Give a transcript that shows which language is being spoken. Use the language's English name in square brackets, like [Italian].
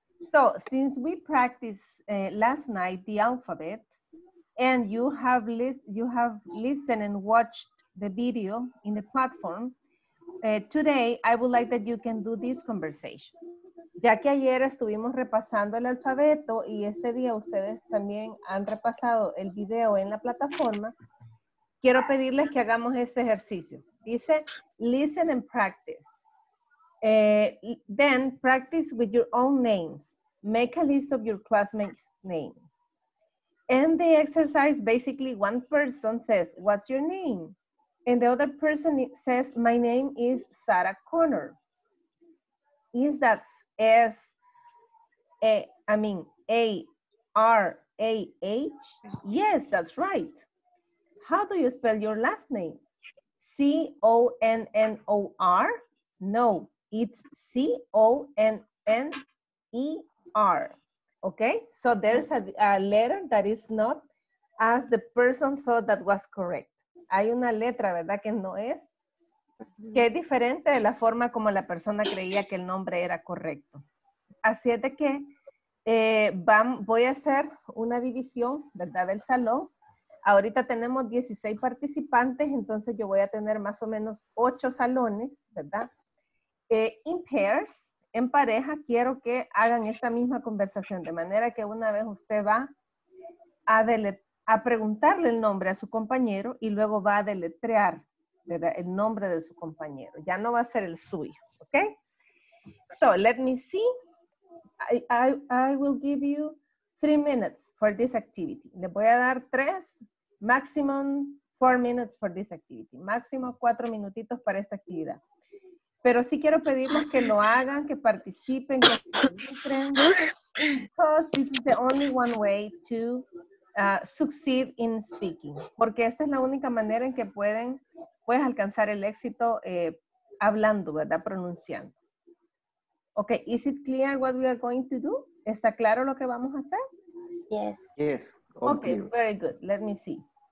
[English] So, since we practiced last night the alphabet, and you have listened and watched the video in the platform, today I would like that you can do this conversation. [Spanish] Ya que ayer estuvimos repasando el alfabeto y este día ustedes también han repasado el video en la plataforma, quiero pedirles que hagamos este ejercicio. Dice, [English] listen and practice. Then, practice with your own names. Make a list of your classmates' names. In the exercise, basically one person says, what's your name? And the other person says, my name is Sarah Connor. Is that S-A-R-A-H? Yes, that's right. How do you spell your last name? C-O-N-N-O-R? No, it's C-O-N-N-E-R. Okay, so there's a letter that is not as the person thought that was correct. [Spanish] Hay una letra, ¿verdad, que no es? Que es diferente de la forma como la persona creía que el nombre era correcto. Así es de que voy a hacer una división, ¿verdad?, del salón. Ahorita tenemos 16 participantes, entonces yo voy a tener más o menos 8 salones, ¿verdad? [English] In pairs, [Spanish] en pareja, quiero que hagan esta misma conversación, de manera que una vez usted va a preguntarle el nombre a su compañero y luego va a deletrear. El nombre de su compañero. Ya no va a ser el suyo, ¿ok? [English] So, let me see. I will give you 3 minutes for this activity. [Spanish] Le voy a dar [English] 3, maximum 4 minutes for this activity. [Spanish] Máximo 4 minutitos para esta actividad. Pero sí quiero pedirles que lo hagan, que participen, que participen. [English] Because this is the only one way to succeed in speaking. [Spanish] Porque esta es la única manera en que pueden... Puedes alcanzar el éxito hablando, ¿verdad? Pronunciando. [English] Ok, ¿is it clear what we are going to do? [Spanish] ¿Está claro lo que vamos a hacer? [English] Yes. Yes. Ok, very good. Let me see.